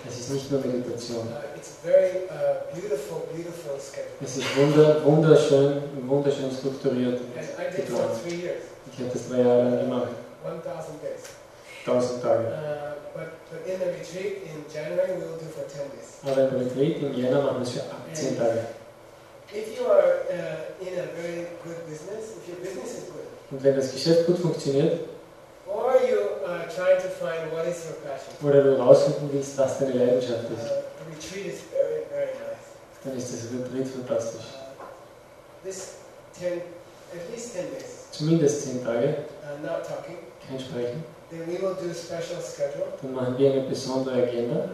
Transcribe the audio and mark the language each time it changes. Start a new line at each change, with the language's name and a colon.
German: Es ist nicht nur Meditation.
English: It's a very beautiful, beautiful schedule.
German: Es ist wunderschön, wunderschön strukturiert.
English: And I did it for 3 years.
German: Ich habe das 3 Jahre lang gemacht.
English: 1000 days.
German: 1000 Tage.
English: But in the retreat in January we will do for 10 days.
German: Aber im Retreat im Januar machen wir es für 18 Tage.
English: If you are in a very good business, if your business is good,
German: und wenn das Geschäft gut funktioniert,
English: or you are trying to find what is your passion,
German: oder du rausfinden willst, was deine Leidenschaft ist,
English: the retreat is very, very nice.
German: Dann ist das Retreat fantastisch.
English: This 10, at least 10 days.
German: Zumindest 10 Tage.
English: Not talking.
German: Kein Sprechen.
English: Then we will do a special schedule.
German: Dann machen wir eine besondere Agenda.